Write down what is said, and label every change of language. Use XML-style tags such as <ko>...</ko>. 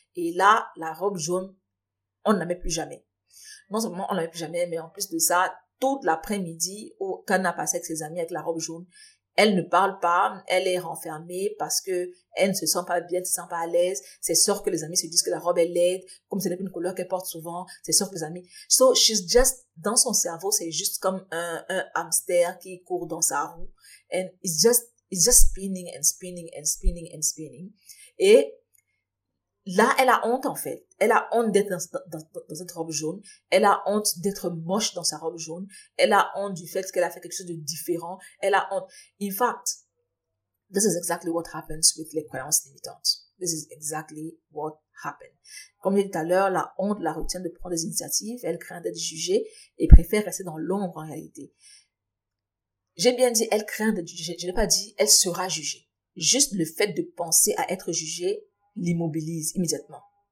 <fr>Et là, la robe jaune, on ne la met plus jamais. Non seulement on ne la met plus jamais, mais en plus de ça, toute l'après-midi, au canapé avec ses amis avec la robe jaune, elle ne parle pas, elle est renfermée parce que elle ne se sent pas bien, ne se sent pas à l'aise. C'est sûr que les amis se disent que la robe est laide, comme ce n'est pas une couleur qu'elle porte souvent. C'est sûr que les amis.</fr> <en>So she's just</en> <fr>dans son cerveau, c'est juste comme un hamster qui court dans sa roue.</fr> <en>And it's just spinning and spinning and spinning and spinning.</en> <fr>Et là, elle a honte en fait. Elle a honte d'être dans cette robe jaune. Elle a honte d'être moche dans sa robe jaune. Elle a honte du fait qu'elle a fait quelque chose de différent. Elle a honte.</fr> <en>In fact, this is exactly what happens with</en> <fr>les croyances limitantes.</fr> <en>This is exactly what happened.</en> <fr>Comme je l'ai dit tout à l'heure, la honte la retient de prendre des initiatives. Elle craint d'être jugée et préfère rester dans l'ombre en réalité. J'ai bien dit, elle craint d'être jugée. Je n'ai pas dit, elle sera jugée. Juste le fait de penser à être jugée l'immobilise immédiatement.</fr>